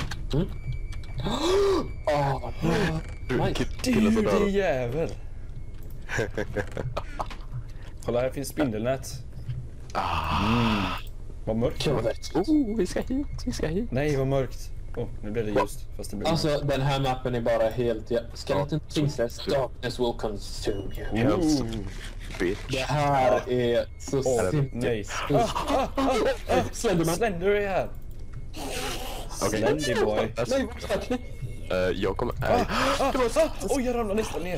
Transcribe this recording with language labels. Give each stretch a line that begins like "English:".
Swedish: Du är jävel. Kolla, här finns spindelnät. Vad mörkt det var. Vi ska hit. Nej, vad mörkt. Nu blir det ljust. Fast det blir alltså, mörkt. Den här mappen är bara helt...
English: Skeleton Princess, darkness will consume you. Bitch.
Swedish: Det här är så simpelt. Nej. Slenderman. Slender är här.
English: Okay. Slender boy.
Swedish: Nej, vad Jag kommer... Nej. Oj, jag ramlade nästan ner.